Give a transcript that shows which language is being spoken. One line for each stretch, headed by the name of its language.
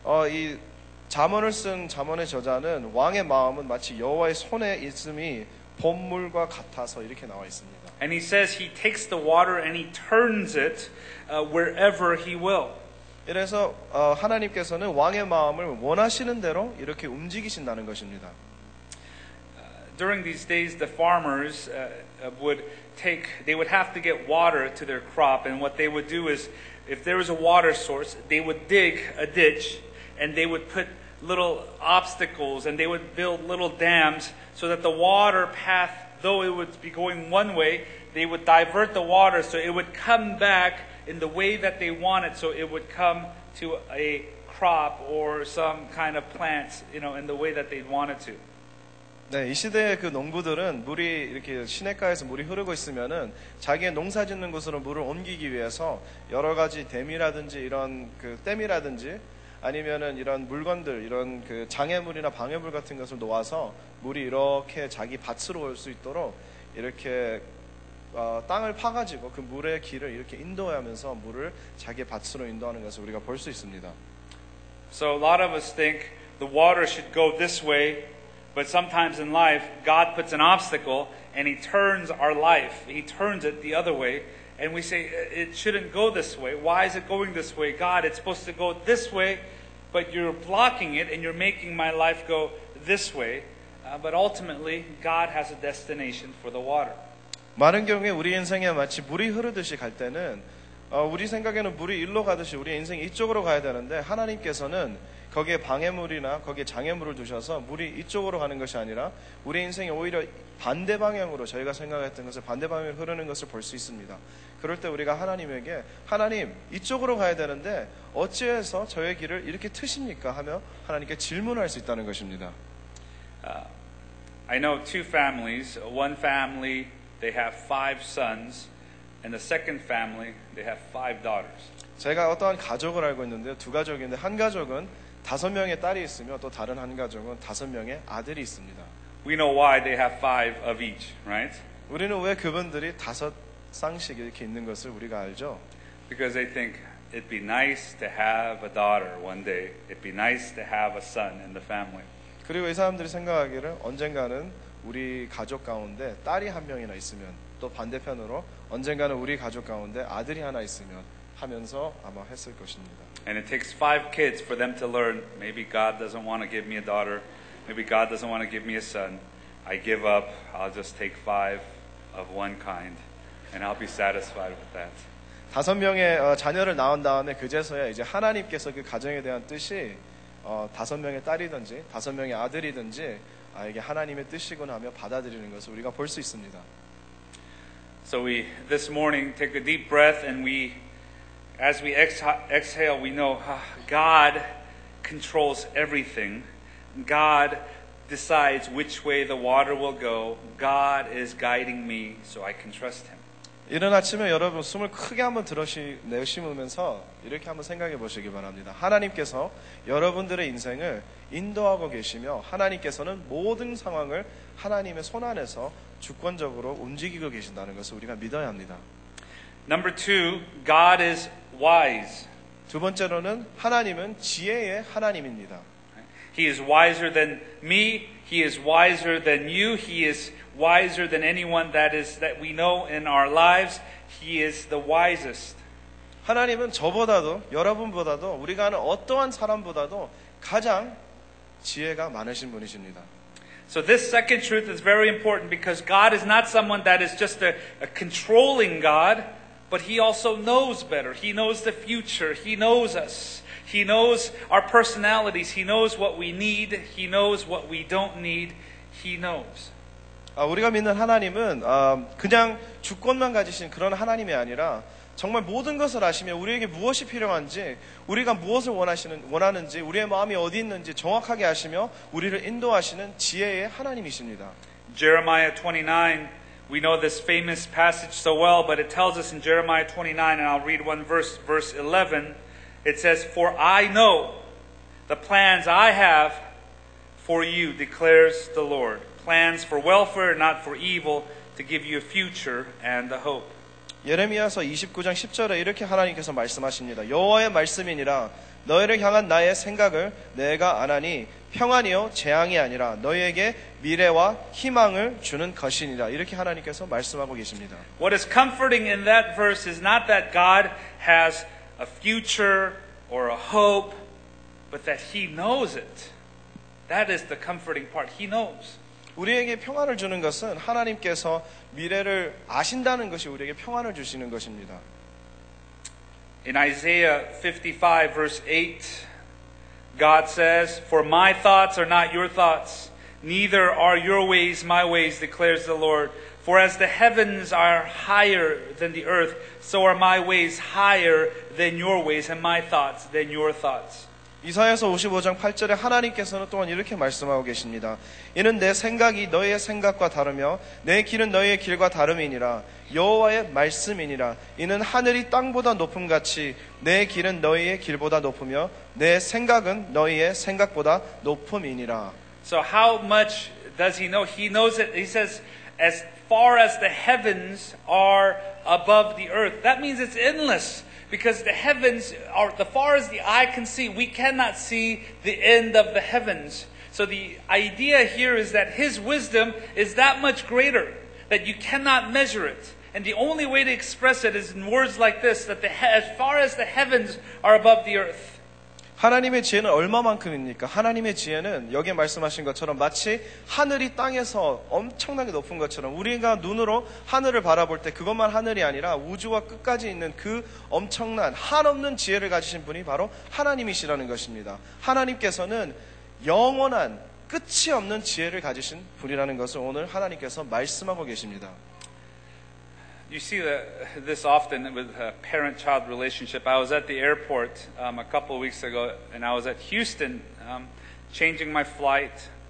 Korean: 이 잠언을 쓴 잠언의 저자는 왕의 마음은 마치 여호와의 손에 있음이 봇물과 같아서 이렇게 나와 있습니다.
English: And he says he takes the water and he turns it wherever he will.
Korean: 이래서 하나님께서는 왕의 마음을 원하시는 대로 이렇게 움직이신다는 것입니다.
English: During these days the farmers would have to get water to their crop, and what they would do is if there was a water source, they would dig a ditch and they would put little obstacles and they would build little dams so that the water path, though it would be going one way, they would divert the water so it would come back in the way that they wanted, so it would come to a crop or some kind of plants, you know, in the way that they'd wanted to.
Korean: 네, 이 시대의 그 농부들은 물이 이렇게 시냇가에서 물이 흐르고 있으면은 자기의 농사 짓는 곳으로 물을 옮기기 위해서 여러 가지 댐이라든지 이런 그 댐이라든지 아니면은 이런 물건들 이런 그 장애물이나 방해물 같은 것을 놓아서 물이 이렇게 자기 밭으로 올 수 있도록 이렇게 땅을 파가지고 그 물의 길을 이렇게 인도하면서 물을 자기 밭으로 인도하는 것을 우리가 볼 수 있습니다.
English: So a lot of us think the water should go this way. But sometimes in life, God puts an obstacle and He turns our life. He turns it the other way And we say, it shouldn't go this way. Why is it going this way? God, it's supposed to go this way, but you're blocking it and you're making my life go this way. But ultimately, God has a destination for the water.
Korean: 많은 경우에 우리 인생에 마치 물이 흐르듯이 갈 때는 우리 생각에는 물이 일로 가듯이 우리 인생이 이쪽으로 가야 되는데 하나님께서는 거기에 방해물이나 거기에 장애물을 두셔서 물이 이쪽으로 가는 것이 아니라 우리 인생이 오히려 반대 방향으로 저희가 생각했던 것을 반대 방향으로 흐르는 것을 볼 수 있습니다. 그럴 때 우리가 하나님에게 하나님 이쪽으로 가야 되는데 어찌해서 저의 길을 이렇게 트십니까? 하며 하나님께 질문할 수 있다는 것입니다.
English: I know two families. One family, they have five sons. And the second family, they have five daughters.
Korean: 제가 어떠한 가족을 알고 있는데요. 두 가족인데 한 가족은 다섯 명의 딸이 있으며 또 다른 한 가족은 다섯 명의 아들이 있습니다.
English: We know why they have five of each, right?
Korean: 우리는 왜 그분들이 다섯 쌍씩 이렇게 있는 것을 우리가 알죠?
English: Because they think it'd be nice to have a daughter one day. It'd be nice to have a son in the family.
Korean: 그리고 이 사람들이 생각하기를 언젠가는 우리 가족 가운데 딸이 한 명이나 있으면 또 반대편으로 언젠가는 우리 가족 가운데 아들이 하나 있으면 하면서 아마 했을 것입니다.
English: And it takes five kids for them to learn. Maybe God doesn't want to give me a daughter. Maybe God doesn't want to give me a son. I give up. I'll just take five of one kind, and I'll be satisfied with that.
Korean: 다섯 명의 자녀를 낳은 다음에 그제서야 이제 하나님께서 그 가정에 대한 뜻이 다섯 명의 딸이든지 다섯 명의 아들이든지 이게 하나님의 뜻이구나 하며 받아들이는 것을 우리가 볼 수 있습니다.
English: So we this morning take a deep breath and we. As we exhale, we know God controls everything. God decides which way the water will go. God is guiding me, so I can trust Him.
Korean: 이런 아침에 여러분 숨을 크게 한번 내쉬면서 이렇게 한번 생각해 보시기 바랍니다. 하나님께서 여러분들의 인생을 인도하고 계시며 하나님께서는 모든 상황을 하나님의 손 안에서 주권적으로 움직이고 계신다는 것을 우리가 믿어야 합니다.
English: Number two, God is wise.
Korean: 두 번째로는 하나님은 지혜의 하나님입니다.
English: He is wiser than me. He is wiser than you. He is wiser than anyone that we know in our lives. He is the wisest.
Korean: 하나님은 저보다도 여러분보다도 우리가 아는 어떠한 사람보다도 가장 지혜가 많으신 분이십니다.
English: So this second truth is very important because God is not someone that is just a controlling God. But he also knows better. He knows the future. He knows us. He knows our personalities. He knows what we need. He knows what we don't need. He knows.
Korean: 우리가 믿는 하나님은 그냥 주권만 가지신 그런 하나님이 아니라 정말 모든 것을 아시며 우리에게 무엇이 필요한지 우리가 무엇을 원하는지 우리의 마음이 어디 있는지 정확하게 아시며 우리를 인도하시는 지혜의 하나님이십니다.
English: Jeremiah 29 We know this famous passage so well, but it tells us in Jeremiah 29, and I'll read one verse, verse 11. It says, For I know the plans I have for you, declares the Lord. Plans for welfare, not for evil, to give you a future and a hope.
Korean: 예레미야서 29장 10절에 이렇게 하나님께서 말씀하십니다. 여호와의 말씀이니라 너희를 향한 나의 생각을 내가 아나니 평안이요 재앙이 아니라 너희에게 미래와 희망을 주는 것이니라 이렇게 하나님께서 말씀하고 계십니다.
English: What is comforting in that verse is not that God has a future or a hope but that he knows it. That is the comforting part. He knows.
Korean: 우리에게 평안을 주는 것은 하나님께서 미래를 아신다는 것이 우리에게 평안을 주시는 것입니다.
English: In Isaiah 55 verse 8 God says, For my thoughts are not your thoughts, neither are your ways my ways, declares the Lord. For as the heavens are higher than the earth, so are my ways higher than your ways, and my thoughts than your thoughts.
Korean: 이사야서 55장 8절에 하나님께서는 또한 이렇게 말씀하고 계십니다. 이는 내 생각이 너희의 생각과 다르며 내 길은 너희의 길과 다름이니라 여호와의 말씀이니라 이는 하늘이 땅보다 높음 같이 내 길은 너희의 길보다 높으며 내 생각은 너희의 생각보다 높음이니라.
English: So how much does he know? He knows it. He says as far as the heavens are above the earth. That means it's endless. Because the heavens are, the far as the eye can see, we cannot see the end of the heavens. So the idea here is that his wisdom is that much greater, that you cannot measure it. And the only way to express it is in words like this, that as far as the heavens are above the earth.
Korean: 하나님의 지혜는 얼마만큼입니까? 하나님의 지혜는 여기에 말씀하신 것처럼 마치 하늘이 땅에서 엄청나게 높은 것처럼 우리가 눈으로 하늘을 바라볼 때 그것만 하늘이 아니라 우주와 끝까지 있는 그 엄청난 한없는 지혜를 가지신 분이 바로 하나님이시라는 것입니다. 하나님께서는 영원한 끝이 없는 지혜를 가지신 분이라는 것을 오늘 하나님께서 말씀하고 계십니다.
English: You see this often with a parent-child relationship. I was at the airport a couple of weeks ago, and I was at Houston changing my flight.